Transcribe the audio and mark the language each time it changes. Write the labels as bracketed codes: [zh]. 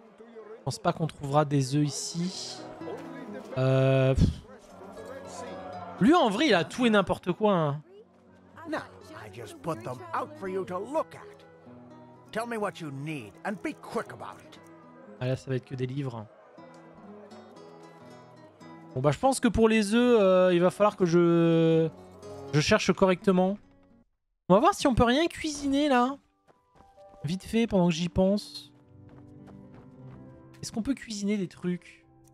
[fr] Je pense pas qu'on trouvera des œufs ici. Lui, en vrai, il a tout et n'importe quoi. [en] Non, I just put them out for you to look at. Tell me what you need and be quick about it. [fr] Ah là, ça va être que des livres. Bon bah, je pense que pour les œufs, il va falloir que je cherche correctement. On va voir si on peut rien cuisiner là. Vite fait, pendant que j'y pense. Est-ce qu'on peut cuisiner des trucs?